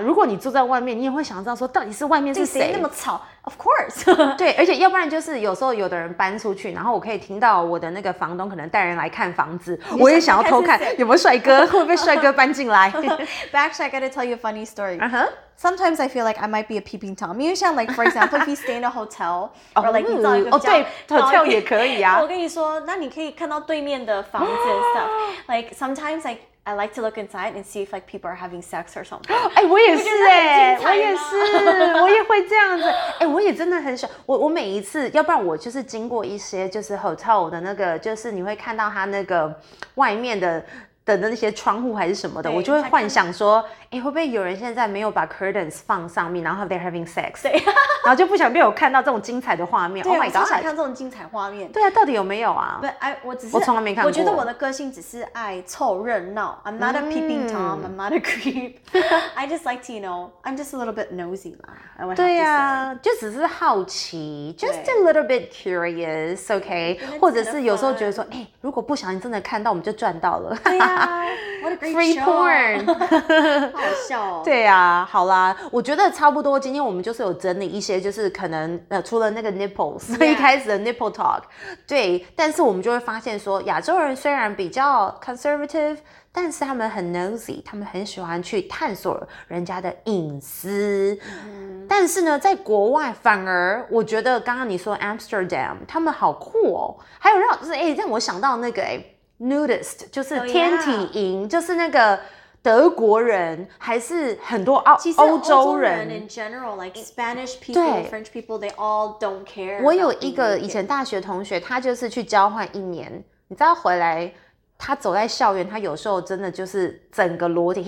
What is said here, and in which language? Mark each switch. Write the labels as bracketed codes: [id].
[zh] 如果你住在外面，你也会想知道说到底是外面是谁那么吵。 [en] Of course， [zh] 对，而且要不然就是有时候有的人搬出去，然后我可以听到我的那个房东可能带人来看房子，我也想要偷看有没有帅哥，会不会帅哥搬进来。 [en] But actually, I gotta tell you a funny story. Uh-huh. Sometimes I feel like I might be a peeping tom. [zh] 因为像 [en] like for example, if you stay in a hotel or like [zh] 你知道一个哦，对 ，hotel 也可以啊。我跟你说，那你可以看到对面的房子 and stuff. [en] Like sometimes I like to look inside and see if like people are having sex or something. [zh] 哎，我也是哎，我也是，我也会这样子。哎，我也真的很喜欢。我每一次，要不然我就是经过一些就是 hotel 的那个，就是你会看到它那个外面的那些窗户还是什么的，我就会幻想说，哎，会不会有人现在没有把 curtains 放上面，然后 [en] they're having sex， [zh] 对，然后就不想被我看到这种精彩的画面。对， [en] oh my god， [zh] 我想看这种精彩画面。对啊，到底有没有啊？不，我只是我从来没看过。我觉得我的个性只是爱凑热闹 [en] ，I'm not a peeping tom，、I'm not a creep， I just like to you know， I'm just a little bit nosy 啦。 [zh] 对啊，就只是好奇 ， [en] just a little bit curious， [zh] OK， 或者是有时候觉得说，哎，如果不小心真的看到，我们就赚到了。对啊。 [en] What a great Free show. porn， [zh] 好笑哦。对啊，好啦，我觉得差不多。今天我们就是有整理一些，就是可能除了那个 nipples，、yeah. 一开始的 nipple talk， 对。但是我们就会发现说，亚洲人虽然比较 conservative， 但是他们很 nosy， 他们很喜欢去探索人家的隐私。但是呢，在国外反而我觉得刚刚你说 Amsterdam， 他们好酷哦。还有让就是哎，让我想到那个哎。Nudist 就是天体营、 [en] oh, yeah. [zh] 就是那个德国人还是很多澳其实欧洲 [en] 人 in general like Spanish people French people they all don't care。 [zh] 我有一个以前大学同学，他就是去交换一年，你知道回来他走在校园，他有时候真的就是整个裸体。